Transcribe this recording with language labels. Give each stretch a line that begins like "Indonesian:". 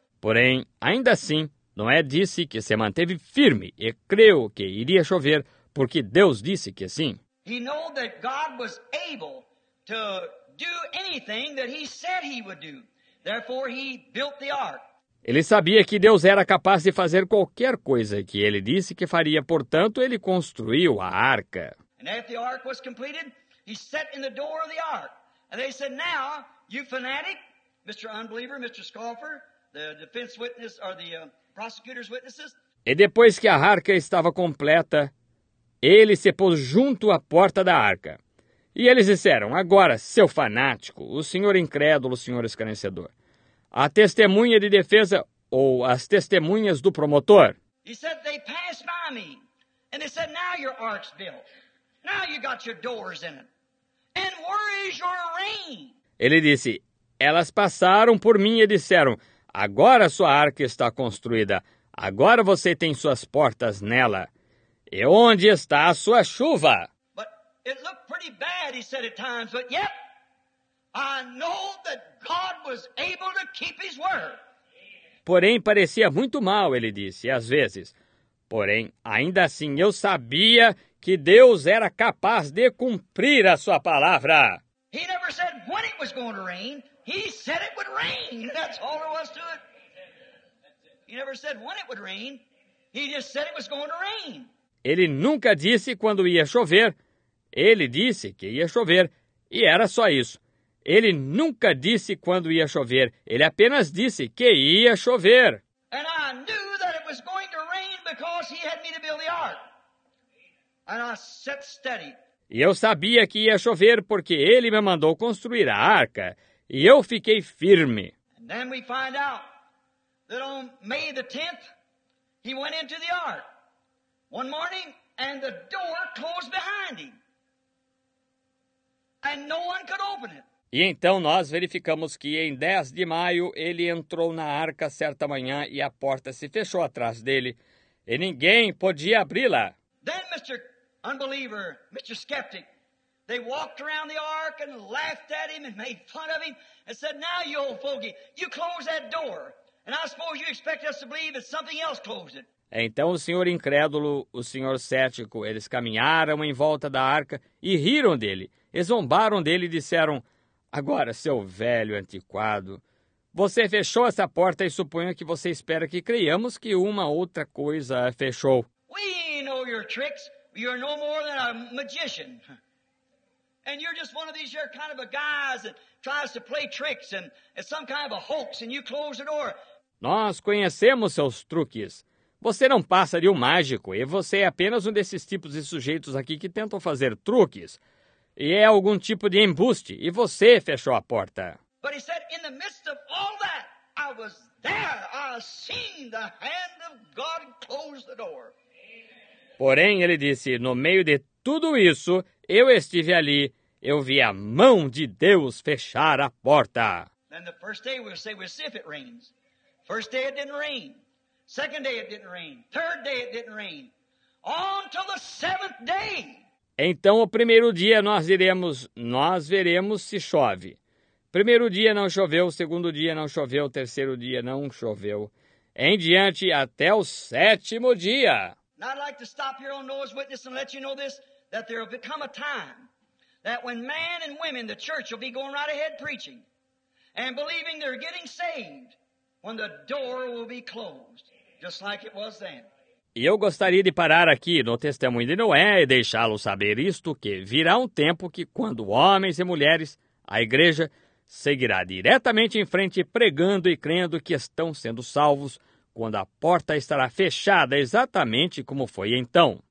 Portuguese: Porém, ainda assim, Noé disse que se manteve firme e creu que iria chover porque Deus disse que sim.
English: He knew that God was able to do anything that he said he would do. Therefore, he built the ark.
Portuguese: Ele sabia que Deus era capaz de fazer qualquer coisa que ele disse que faria, portanto, ele construiu a arca.
English: And after the ark was completed, he sat in the door of the ark. And they said, now, you fanatic, Mr. Unbeliever, Mr. Scoffer, the defense witness, or the prosecutor's witnesses.
Portuguese: E depois que a arca estava completa, ele se pôs junto à porta da arca. E eles disseram, agora, seu fanático, o senhor incrédulo, o senhor escarnecedor, a testemunha de defesa ou as testemunhas do promotor.
English: He said, they passed by me. And they said, now your ark's built. Now you got your doors in it. And where is your rain?
Portuguese: Ele disse, elas passaram por mim e disseram, agora sua arca está construída. Agora você tem suas portas nela. E onde está a sua chuva?
English: But it looked pretty bad, he said at times, but yet I know that God was able to keep his word.
Portuguese: Porém, parecia muito mal, ele disse, às vezes. Porém, ainda assim, eu sabia que Deus era capaz de cumprir a sua palavra.
English: He never said when it was going to rain. He said it would rain. That's all there was to it. He never said when it would rain. He just said it was going to rain.
Portuguese: Ele nunca disse quando ia chover. Ele disse que ia chover. E era só isso. Ele nunca disse quando ia chover. Ele apenas disse que ia chover.
English: And I knew that it was going to rain because he had me to build the ark. And I sat steady.
Portuguese: E eu sabia que ia chover porque ele me mandou construir a arca. E eu fiquei firme.
English: And then we find out that on May the 10th, he went into the ark. One morning, and the door closed behind him. And no one could open it.
Portuguese: E então nós verificamos que em 10 de maio ele entrou na arca certa manhã e a porta se fechou atrás dele e ninguém podia abri-la.
English: Then Mr. Unbeliever, Mr. Skeptic, they walked around the ark and laughed at him and made fun of him and said, "Now you old fogey, you close that door. And I suppose you expect us to believe that something else closed it."
Portuguese: Então o senhor incrédulo, o senhor cético, eles caminharam em volta da arca e riram dele. E zombaram dele e disseram, agora, seu velho antiquado, você fechou essa porta e suponho que você espera que creiamos que uma outra coisa a fechou.
English: We know your tricks. You're no more than a magician. And you're just one of these here kind of a guys that tries to play tricks and it's some kind of a hoax and you close the door.
Portuguese: Nós conhecemos seus truques. Você não passa de um mágico e você é apenas um desses tipos de sujeitos aqui que tentam fazer truques. E é algum tipo de embuste e você fechou a porta.
English: But he said, in the midst of all that, I was there. I seen the hand of God close the door.
Portuguese: Porém, ele disse, no meio de tudo isso, eu estive ali, eu vi a mão de Deus fechar a porta.
English: Then the first day we'll say, we'll see if it rains. First day it didn't rain. Second day it didn't rain. Third day it didn't rain. On to the seventh day.
Portuguese: Então, o primeiro dia nós veremos se chove. Primeiro dia não choveu, segundo dia não choveu, terceiro dia não choveu. Em diante, até o sétimo dia.
English: Now I'd like to stop here on Noah's Witness and let you know this, that there will become a time that when man and women, the church, will be going right ahead preaching and believing they're getting saved, when the door will be closed, just like it was then.
Portuguese: E eu gostaria de parar aqui no testemunho de Noé e deixá-lo saber isto, que virá um tempo que quando homens e mulheres, a igreja, seguirá diretamente em frente pregando e crendo que estão sendo salvos, quando a porta estará fechada exatamente como foi então.